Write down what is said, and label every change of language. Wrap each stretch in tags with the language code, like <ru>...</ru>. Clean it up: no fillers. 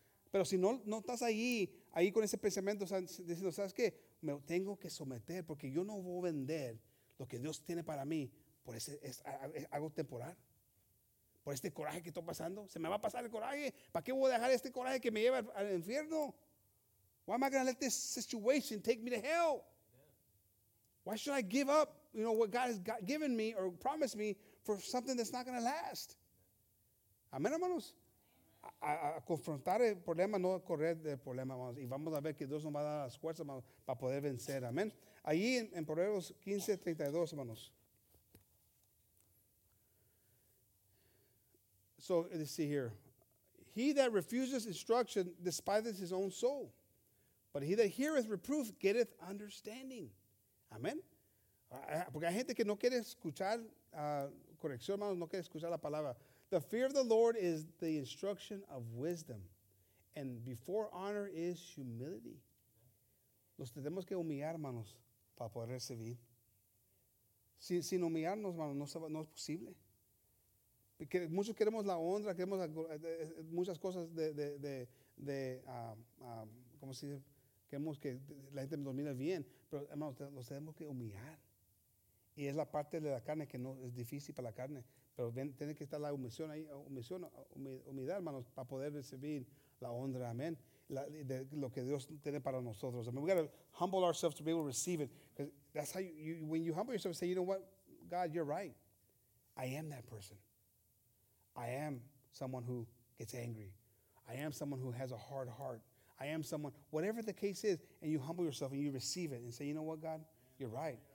<es>Pero si no estás ahí con ese pensamiento, o sea, diciendo, ¿sabes qué? Me tengo que someter porque yo no voy a vender lo que Dios tiene para mí por es algo temporal. Por este coraje que estoy pasando, se me va a pasar el coraje. ¿Para qué voy a dejar este coraje que me lleva al infierno?</es> <en>Why am I going to let this situation take me to hell? Why should I give up, you know, what God has given me or promised me for something that's not going to last?</en> <es>Amén, hermanos. A confrontar el problema, no correr del problema, hermanos. Y vamos a ver que Dios nos va a dar las fuerzas, hermanos, para poder vencer. Amén. Allí en Proverbios 15:32, hermanos.</es> <en>So let's see here. He that refuses instruction despises his own soul, but he that heareth reproof getteth understanding. Amen.</en> <es>Porque hay gente que no quiere escuchar corrección, hermanos, no quiere escuchar la palabra.</es> <en>The fear of the Lord is the instruction of wisdom, and before honor is humility.</en> <es>Nos tenemos que humillar, hermanos, para poder recibir. Sin humillarnos, hermanos, no es posible. Que muchos queremos la honra, queremos muchas cosas ¿cómo se dice? Queremos que la gente nos domine bien, pero hermanos, los tenemos que humillar. Y es la parte de la carne que no es difícil para la carne, pero tiene que estar la humillación ahí, humildad, hermanos, para poder recibir la honra, amén. De lo que Dios tiene para nosotros.</es> <en>I mean, we got to humble ourselves to be able to receive it. That's how when you humble yourself, say, you know what, God, you're right. I am that person. I am someone who gets angry. I am someone who has a hard heart. I am someone, whatever the case is, and you humble yourself and you receive it and say, you know what, God? You're right.</en>